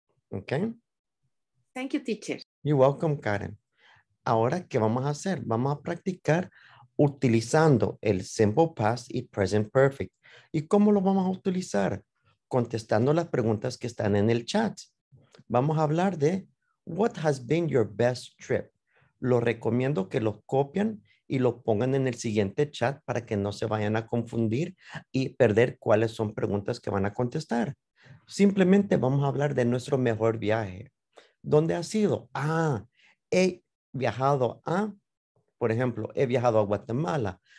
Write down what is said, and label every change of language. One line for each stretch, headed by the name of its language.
English: Ok. Thank you, teacher. You're welcome,
Spanish: Karen. Ahora, ¿qué vamos a hacer? Vamos a practicar utilizando el simple past y present perfect. ¿Y cómo lo vamos a utilizar? Contestando las preguntas que están en el chat. Vamos a hablar de
English: what has been your best trip.
Spanish: Lo recomiendo que lo copien y lo pongan en el siguiente chat para que no se vayan a confundir y perder cuáles son preguntas que van a contestar. Simplemente vamos a hablar de nuestro mejor viaje. ¿Dónde has ido? Ah, he viajado a, por ejemplo, he viajado a Guatemala.